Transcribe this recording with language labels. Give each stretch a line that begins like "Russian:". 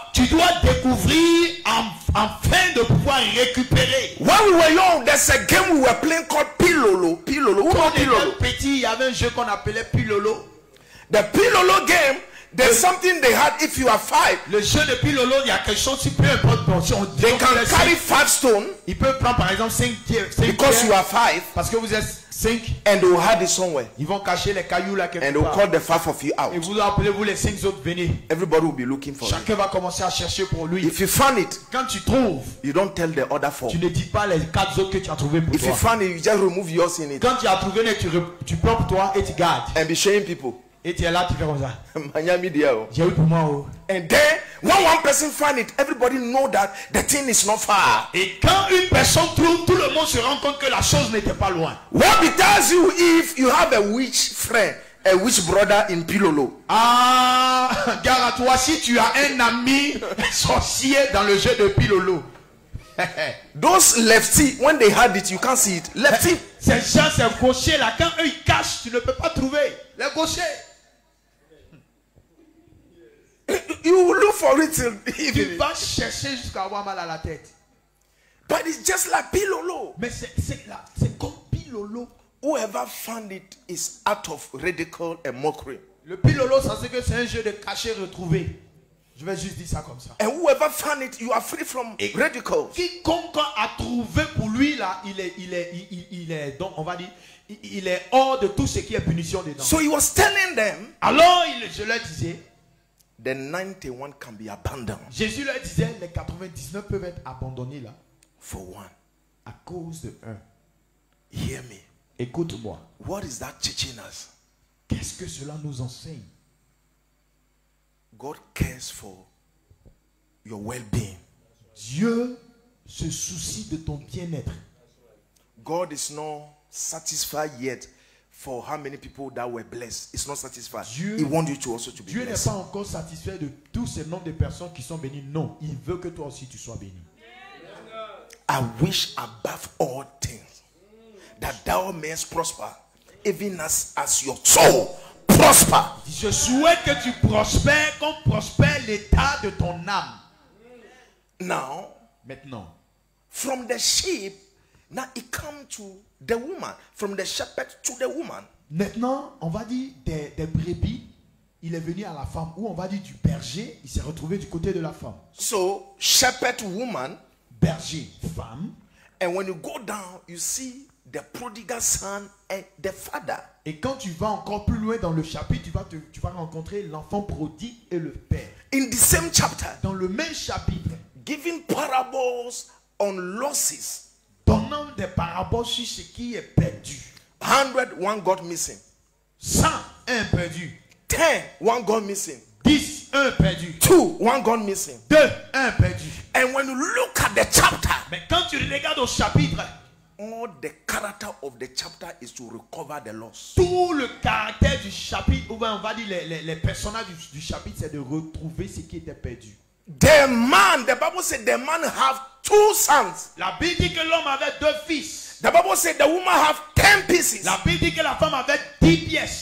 French: Tu dois découvrir afin de pouvoir récupérer.
English: When we were young, there's a game we were playing called Pilolo. Pilolo.
French: Quand on était petit, il y avait un jeu qu'on appelait Pilolo.
English: The Pilolo game, there's something they had if you are 5.
French: Le jeu de Pilolo, il y a quelque chose, peu importe. Bon, si on
English: they can carry 5 stones.
French: Il peut prendre par exemple 5 pierres.
English: Because you are 5.
French: Parce que vous êtes 5.
English: And they hide it somewhere.
French: Ils vont cacher les cailloux là quelque part.
English: And they call the 5 of you out.
French: Et vous appelez vous les 5 autres venir.
English: Everybody will be looking for.
French: Chacun va commencer à chercher pour lui.
English: If you find it,
French: quand tu trouves,
English: you don't tell the other 4.
French: Tu ne dis pas les 4 autres que tu as trouvé pour
English: if
French: toi.
English: If you find it, you just remove yours in it.
French: Quand tu as trouvé, tu prends pour toi et tu gardes.
English: And be showing people.
French: Et tu es là, tu fais comme ça. Miami dia oh. J'ai eu pour moi oh.
English: And then, when one person find it, everybody know that the thing is not far.
French: Et quand une personne trouve, tout le monde se rend compte que la chose n'était pas loin.
English: What it tells you if you have a witch friend, a witch brother in Pilolo?
French: Ah, gare à toi si tu as un ami sorcier dans le jeu de Pilolo.
English: Those lefty, when they had it, you can't see it. Lefty.
French: Ces gens, ces gauchers là, quand eux ils cachent, tu ne peux pas trouver. Les gauchers.
English: You will look for it till
French: tu vas chercher jusqu'à avoir mal à la tête.
English: But it's just like Pilolo.
French: Mais c'est comme Pilolo.
English: Whoever found it is out of ridicule and mockery.
French: Le Pilolo, ça c'est que c'est un jeu de cacher retrouvé. Je vais juste dire ça comme ça.
English: And whoever found it, you are free from ridicule.
French: Quiconque a trouvé pour lui là, il est donc on va dire il est hors de tout ce qui est punition dedans.
English: So he was telling them.
French: Alors je leur disais.
English: The 91 can be abandoned.
French: Jésus leur disait, les 99 peuvent être abandonnés là.
English: For one.
French: À cause de un.
English: Hear me.
French: Écoute-moi.
English: What is that teaching us?
French: Qu'est-ce que cela nous enseigne?
English: God cares for your well-being.
French: Dieu se soucie de ton bien-être.
English: God is not satisfied yet. For how many people that were blessed, it's not satisfied.
French: Dieu,
English: he wants you to also to be
French: Dieu
English: blessed.
French: N'est pas encore satisfait de tous ces nombres de personnes qui sont bénies. Non, il veut que toi aussi tu sois béni.
English: I wish above all things that thou mayest prosper, even as your soul prosper.
French: Je souhaite que tu prospères, qu'on prospère l'état de ton âme.
English: Now,
French: maintenant,
English: from the sheep, now it comes to the woman, from the shepherd to the woman.
French: Maintenant, on va dire des brebis, il est venu à la femme, ou on va dire du berger, il s'est retrouvé du côté de la femme.
English: So, shepherd woman,
French: berger, femme.
English: And when you go down, you see the prodigal son and the father.
French: Et quand tu vas encore plus loin dans le chapitre, tu vas rencontrer l'enfant prodigue et le père.
English: In the same chapter,
French: dans le même chapitre,
English: giving parables on losses,
French: donnant des paraboles sur ce qui est perdu.
English: 100, one got missing.
French: 100, un perdu.
English: 10, one got missing.
French: 10, un perdu.
English: 2, one got missing.
French: 2, un perdu.
English: And when you look at the chapter,
French: mais quand tu regardes au chapitre,
English: all the character of the chapter is to recover the loss.
French: Tout le caractère du chapitre, ou bien on va dire les personnages du chapitre, c'est de retrouver ce qui était perdu.
English: The man, the Bible says the man have two sons.
French: La Bible dit que l'homme avait deux fils.
English: The Bible says the woman have 10 pieces.
French: La Bible dit que la femme avait 10 pièces.